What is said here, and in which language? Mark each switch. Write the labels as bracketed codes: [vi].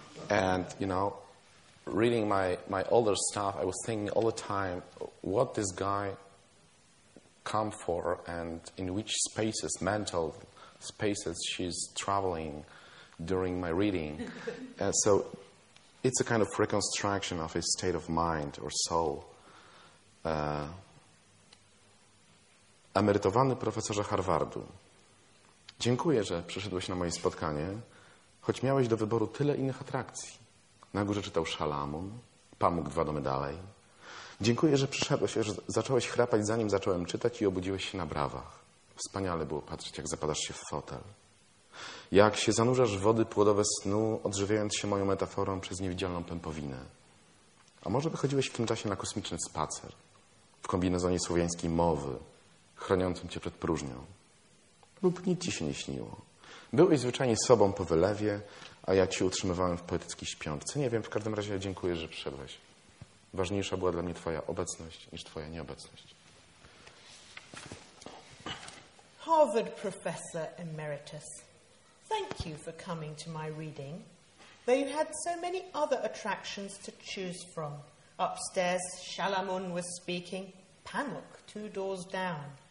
[en] And, you know, reading my older stuff, I was thinking all the time, what this guy come for and in which spaces, mental spaces, she's traveling during my reading. So it's a kind of reconstruction of his state of mind or soul. [pl] Emerytowany profesorze Harvardu, dziękuję, że przyszedłeś na moje spotkanie, choć miałeś do wyboru tyle innych atrakcji. Na górze czytał Szalamun, Pamuk 2 domy dalej. Dziękuję, że przyszedłeś, że zacząłeś chrapać, zanim zacząłem czytać i obudziłeś się na brawach. Wspaniale było patrzeć, jak zapadasz się w fotel. Jak się zanurzasz w wody płodowe snu, odżywiając się moją metaforą przez niewidzialną pępowinę. A może wychodziłeś w tym czasie na kosmiczny spacer, w kombinezonie słowiańskiej mowy, chroniącym cię przed próżnią. Lub nic ci się nie śniło. Byłeś zwyczajnie sobą po wylewie, a ja ci utrzymywałem w poetyckiej śpiączce. Nie wiem, w każdym razie dziękuję, że przyszedłeś. Ważniejsza była dla mnie twoja obecność niż twoja nieobecność. [en] Harvard Professor Emeritus, thank you for coming to my reading. Though you had so many other attractions to choose from. Upstairs, Shalamun was speaking. Panuk, two doors down.